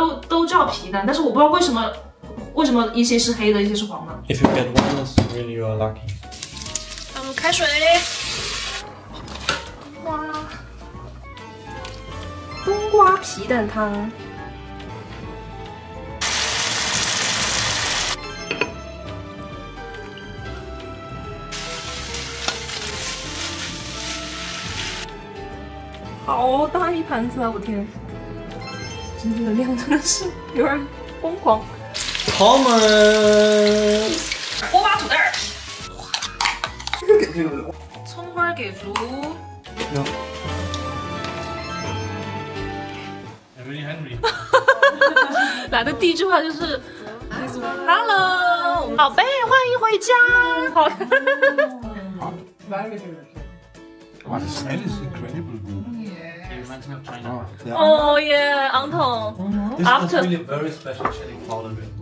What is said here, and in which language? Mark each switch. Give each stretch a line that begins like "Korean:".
Chinese: 都叫皮蛋，但是我不知道为什么一些是黑的，一些是黄的。
English: If you get one, that's really you are lucky.
Chinese: 放入开水。哇，冬瓜皮蛋汤。好大一盘子啊！我天，今天的量真的是有点疯狂。 Thomas，锅巴土豆，这个给这个，葱花给足。 Henry，Henry，来的第一句话就是 Hello，宝贝，欢迎回家。好，好
English: ，Very good。 Wow, the smell is incredible. Yeah. It reminds me of China. Oh, yeah, Ang Tong. This is really a very special chili powder.